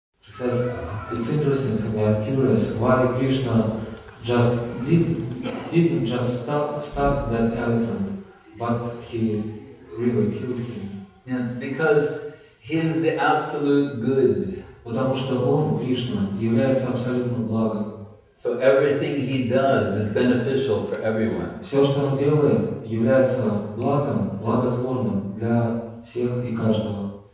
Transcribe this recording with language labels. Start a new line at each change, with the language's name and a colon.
English: says, it's interesting for me, I'm curious, why Krishna just didn't just stop that elephant, but he really killed him. Yeah, because he is the absolute good.
Russian: Потому что он, Кришна, является абсолютным благом.
English: So everything he does is beneficial for everyone.
Russian: Все, что он делает, является благом, благотворным для всех и каждого.